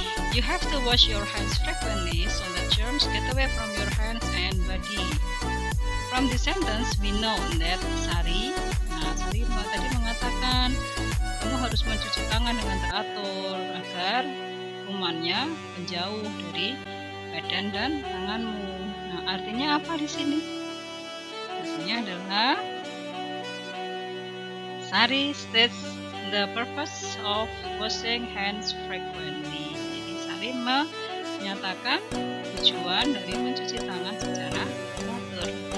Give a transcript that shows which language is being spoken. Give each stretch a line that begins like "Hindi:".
English: You have to wash your hands frequently so that germs get away from your hands and body. From this sentence, we know that Sari,
Indonesian: Sari tadi mengatakan, kamu harus mencuci tangan dengan teratur agar kumannya menjauh dari badan dan tanganmu. Nah, artinya apa di sini? Artinya adalah,
English: Sari states the purpose of washing hands frequently.
Indonesian: Jadi, Sari menyatakan tujuan dari mencuci tangan secara teratur.